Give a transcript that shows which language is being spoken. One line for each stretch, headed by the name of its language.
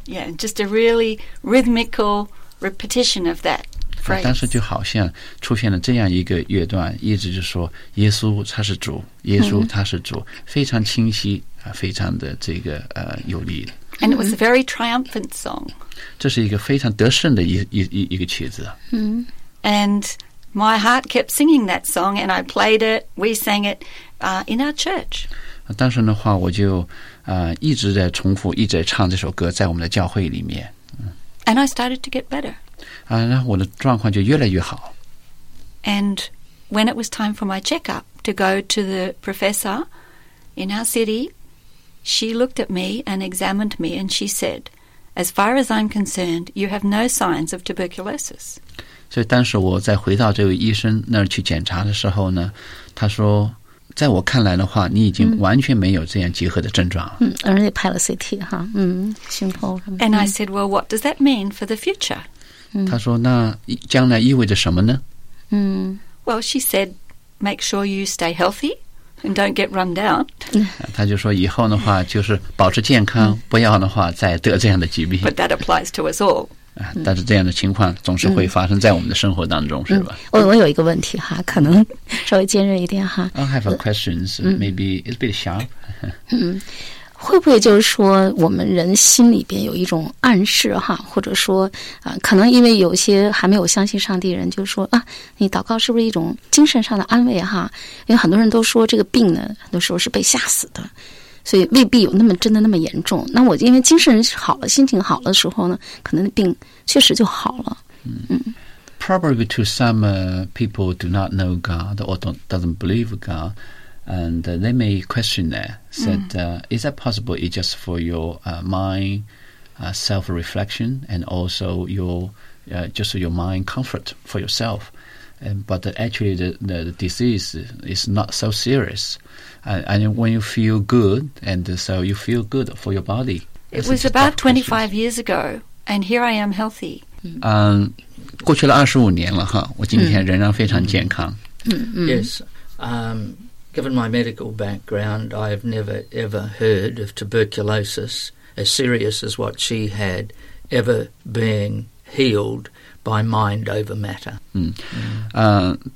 English: Yeah, just a really rhythmical repetition of that phrase.
Chinese: 当时就好像出现了这样一个乐段，一直就说耶稣他是主，耶稣他是主，非常清晰，非常的这个有力的。
English: And it was a very triumphant song.
Chinese: 这是一个非常得胜的一个曲子。
English: And my heart kept singing that song, and I played it, we sang it, in our church.
Chinese: 当时的话我就一直在重复一直在唱这首歌在我们的教会里面。
English: And I started to get better.
Chinese: 然后我的状况就越来越好。
English: And when it was time for my checkup to go to the professor in our city, she looked at me and examined me and she said, as far as I'm concerned, you have no signs of tuberculosis.
Chinese: 所以当时我在回到这位医生那儿去检查的时候呢，他说在我看来的话你已经完全没有这样结核的症状了。而且拍了 CT, 哈，胸脯。
English: And I said, well, what does that mean for the future?
Chinese: 他说那将来意味着什么呢？
English: Well, she said, make sure you stay healthy and don't get run down.
Chinese: 他就说以后的话就是保持健康，不要的话再得这样的疾病。
English: But that applies to us all.
Chinese: 但是这样的情况总是会发生在我们的生活当中，是吧？我有一个问题哈，可能稍微尖锐一点哈。
English: I have a question, maybe it's a bit sharp.
Chinese: 会不会就是说我们人心里边有一种暗示哈，或者说可能因为有些还没有相信上帝的人就说啊，你祷告是不是一种精神上的安慰哈？因为很多人都说这个病呢很多时候是被吓死的，所以未必有那么真的那么严重。那我因为精神好了心情好了的时候呢，可能病确实就好了。
English: Probably to some people do not know God or doesn't believe GodAnd they may question that, said, is that possible? It's just for your mind, self-reflection, and also your, just your mind comfort for yourself. But actually, the disease is not so serious. And when you feel good, and so you feel good for your body. It was about 25 years ago, and here I am healthy.
Chinese: 过去了25年了哈，我今天仍然非常健康。
English: Yes, Given my medical background, I have never ever heard of tuberculosis as serious as what she had ever being healed by mind over matter.